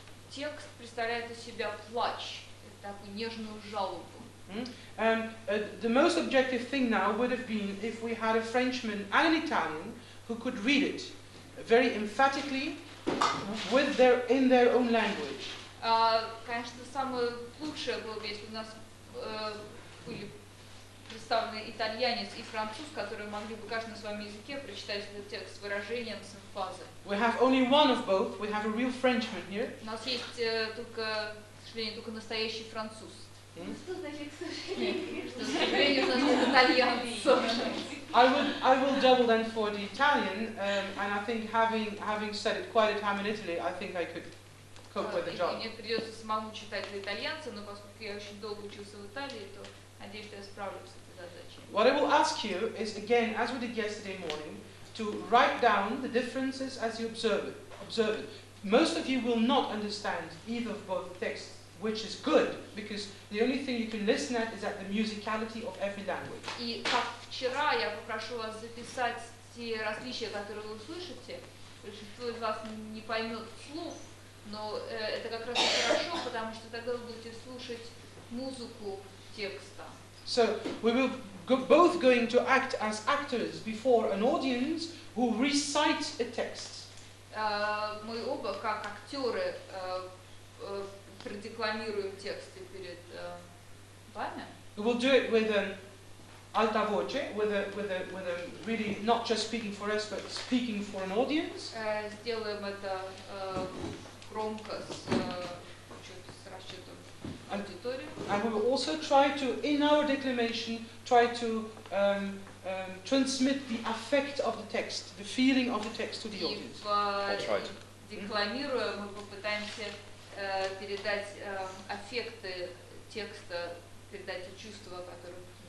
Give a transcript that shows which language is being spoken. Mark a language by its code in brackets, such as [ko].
[ru] Текст представляет из себя плач, такую нежную жалобу. [en] And the most objective thing now would have been if we had a Frenchman and an Italian who could read it very emphatically with their in their own language. [ru] Конечно, самое лучшее было бы, если у нас были представлены итальянец и француз, которые могли бы каждый на своем языке прочитать этот текст с выражением симфазы. [en] We have only one of both. We have a real Frenchman here. [ru] У нас есть только, к сожалению, только настоящий француз. [en] I will double then for the Italian, and I think having said it quite a time in Italy, I think I could cope with the job. [ru] Мне придется самому читать для итальянца, но поскольку я очень долго учился в Италии, то надеюсь, что я справлюсь с этой задачей. [en] What I will ask you is again, as we did yesterday morning, to write down the differences as you observe it. Most of you will not understand either of both texts. Which is good, because the only thing you can listen at is at the musicality of every language. [ru] И как вчера я попрошу вас записать те различия, которые вы услышите. Большинство из вас не поймет слов, но это как раз хорошо, потому что тогда вы будете слушать музыку текста. [en] So we will both going to act as actors before an audience who recites a text. [ru] Мы оба как актеры. Продекламируем тексты перед вами. [en] We'll do it with an alta voce, with a really not just speaking for us, but speaking for an audience. [ru] Сделаем это громко с расчетом аудитории. [en] And we will also try to, in our declamation, try to transmit the affect of the text, the feeling of the text to the audience. [ru] И в декламируем мы попытаемся передать аффекты текста, передать чувства, которые